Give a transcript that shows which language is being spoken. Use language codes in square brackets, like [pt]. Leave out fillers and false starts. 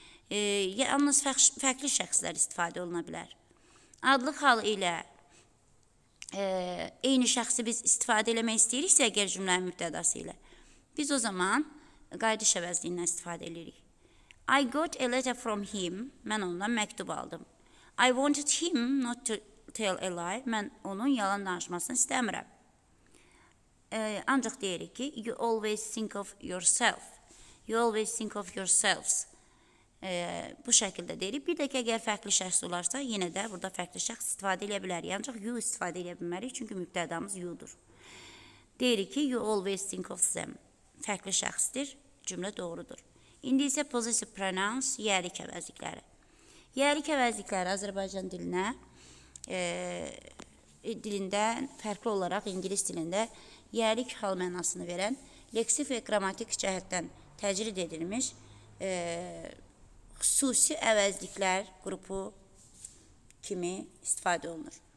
[az] Yalnız fərqli şəxslər istifadə oluna bilər. Adlıq halı ilə eyni şəxsi biz istifadə eləmək istəyiriksə, əgər cümlənin mübtədası ilə. Biz o zaman qaydış əvəzliyindən istifadə edirik. [en] I got a letter from him. [az] Mən ondan məktub aldım. [en] I wanted him not to tell a lie. [az] Mən onun yalan danışmasını istəmirəm. Ancaq deyirik ki, [en] you always think of yourself. You always think of yourselves. [az] Bu şəkildə deyirik. Bir də ki, əgər fərqli şəxs olarsa, yenə də burada fərqli şəxs istifadə edə bilərik. Ancaq you istifadə edə bilmərik, çünki mübtədamız you-dur. Deyirik ki, [en] you always think of them. [az] Fərqli şəxsdir, cümlə doğrudur. İndi isə possessive pronouns, yerlik əvəzlikləri. Yerlik əvəzlikləri Azərbaycan dilinə, dilində fərqli olaraq ingilis dilində yerlik hal mənasını verən, leksif və qramatik cəhətdən təcrid edilmiş xüsusi əvəzliklər qrupu kimi istifadə olunur.